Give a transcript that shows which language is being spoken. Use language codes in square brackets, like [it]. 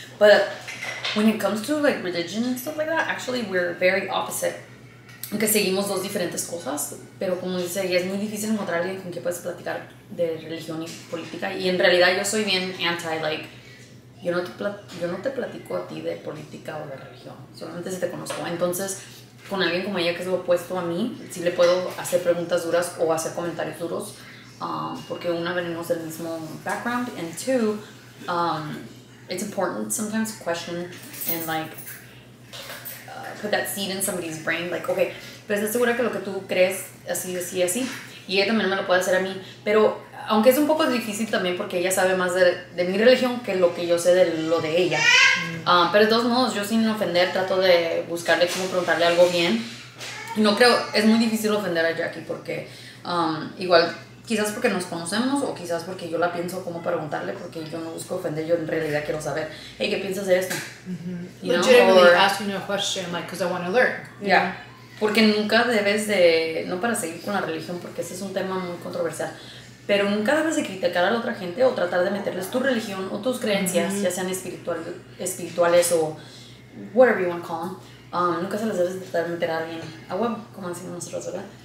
[en] But... when it comes to, like, religion and stuff like that, actually, we're very opposite. [es] que seguimos dos diferentes cosas, pero como dice ella, es muy difícil encontrar alguien con quien puedes platicar de religión y política. Y en realidad yo soy bien anti, like, yo no te platico a ti de política o de religión, solamente si te conozco. Entonces, con alguien como ella, que es lo opuesto a mí, sí le puedo hacer preguntas duras o hacer comentarios duros, porque una, venimos del mismo background, [en] and two, it's important sometimes to question and, like, put that seed in somebody's brain, like, okay, [es] pues estoy segura que lo que tú crees así, así, así, y ella también me lo puede hacer a mí, pero aunque es un poco difícil también porque ella sabe más de mi religión que lo que yo sé de lo de ella, pero de todos modos, yo sin ofender trato de buscarle cómo preguntarle algo bien, y no creo, es muy difícil ofender a Jackie porque igual, quizás porque nos conocemos o quizás porque yo la pienso como preguntarle porque yo no busco ofender, yo en realidad quiero saber, hey, ¿qué piensas de esto? Mm-hmm. [en] You legitimately know, or, asking you a question, like, because I want to learn. Yeah, know? [es] Porque nunca debes de, no para seguir con la religión porque ese es un tema muy controversial, pero nunca debes de criticar a la otra gente o tratar de meterles tu religión o tus creencias, mm-hmm. ya sean espirituales o [en] whatever you want to call them. [es] Nunca se las debes de tratar de meter a alguien a huevo, como decimos nosotros, ¿verdad?